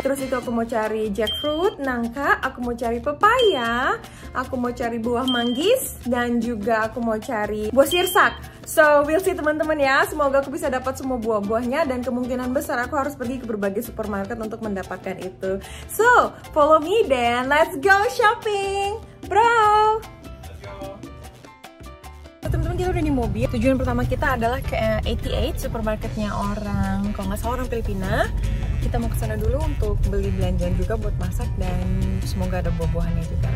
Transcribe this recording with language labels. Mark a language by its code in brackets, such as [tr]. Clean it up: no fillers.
[id] Terus itu aku mau cari jackfruit, nangka, aku mau cari pepaya, aku mau cari buah manggis, dan juga aku mau cari buah sirsak. [en] So, we'll see [id] teman-teman ya. Semoga aku bisa dapat semua buah-buahnya, dan kemungkinan besar aku harus pergi ke berbagai supermarket untuk mendapatkan itu. [en] So, follow me then, let's go shopping, bro. [id] Teman-teman, kita udah di mobil. Tujuan pertama kita adalah ke 88 supermarketnya orang, kalau nggak salah orang Filipina. Kita mau ke sana dulu untuk beli belanjaan juga buat masak, dan semoga ada buah-buahannya juga.